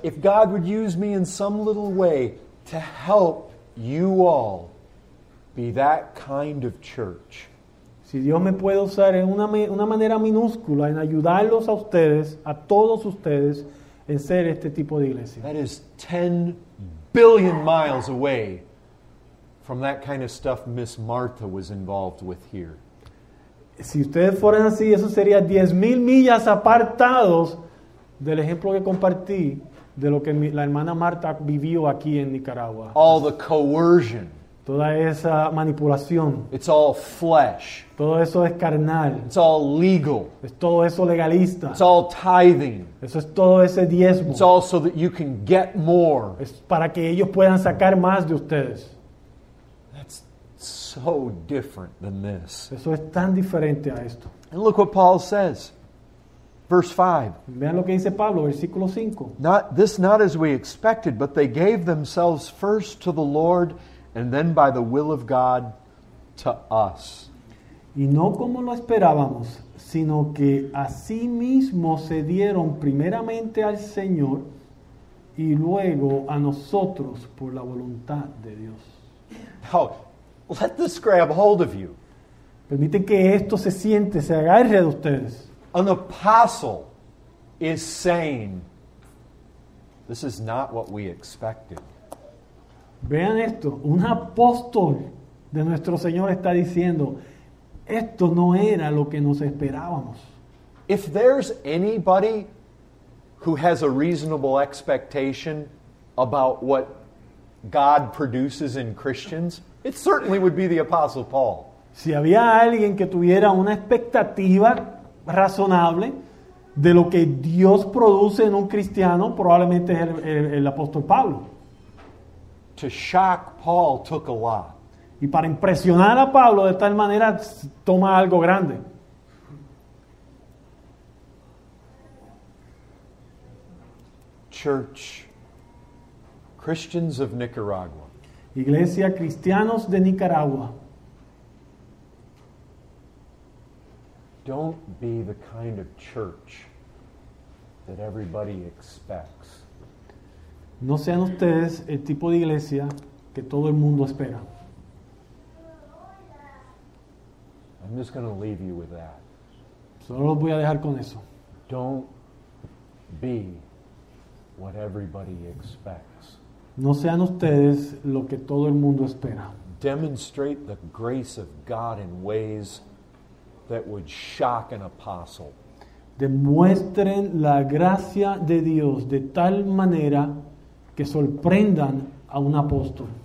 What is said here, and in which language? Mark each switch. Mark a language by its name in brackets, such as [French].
[English] If God would use me in some little way to help you all be that kind of church. [Spanish] Si Dios me puede usar en una manera minúscula en ayudarlos a ustedes, a todos ustedes, en ser este tipo de iglesia. [English] That is 10 billion miles away from that kind of stuff Miss Martha was involved with here. [Spanish] Si ustedes fueran así, eso sería 10,000 millas apartados del ejemplo que compartí de lo que la hermana Martha vivió aquí en Nicaragua. [English] All the coercion. [Spanish] Toda esa manipulación. [English] It's all flesh. [Spanish] Todo eso es carnal. [English] It's all legal. [Spanish] Es todo eso legalista. [English] It's all tithing. [Spanish] Eso es todo ese diezmo. [English] It's all so that you can get more. [Spanish] Es para que ellos puedan sacar más de ustedes. [English] That's so different than this. [Spanish] Eso es tan diferente a esto. [English] And look what Paul says. Verse 5. [Spanish] Vean lo que dice Pablo, versículo 5. [English] Not as we expected, but they gave themselves first to the Lord, and then by the will of God, to us. [Spanish] Y no como lo esperábamos, sino que a sí mismo se dieron primeramente al Señor y luego a nosotros por la voluntad de Dios. [English] Now, let this grab hold of you. [Spanish] Permite que esto se siente, se agarre de ustedes. [English] An apostle is saying, this is not what we expected. [Spanish] Vean esto, un apóstol de nuestro Señor está diciendo, esto no era lo que nos esperábamos. [English] If there's anybody who has a reasonable expectation about what God produces in Christians, it certainly would be the Apostle Paul. [Spanish] Si había alguien que tuviera una expectativa razonable de lo que Dios produce en un cristiano, probablemente es el apóstol Pablo. [English] To shock Paul took a lot. [Spanish] Y para impresionar a Pablo de tal manera toma algo grande. [English] Church, Christians of Nicaragua. [Spanish] Iglesia Cristianos de Nicaragua. [English] Don't be the kind of church that everybody expects. [Spanish] No sean ustedes el tipo de iglesia que todo el mundo espera. [English] I'm just going to leave you with that. [Spanish] Solo los voy a dejar con eso. [English] Don't be what everybody expects. [Spanish] No sean ustedes lo que todo el mundo espera. [English] Demonstrate the grace of God in ways that would shock an apostle. [Spanish] Demuestren la gracia de Dios de tal manera que sorprendan a un apóstol.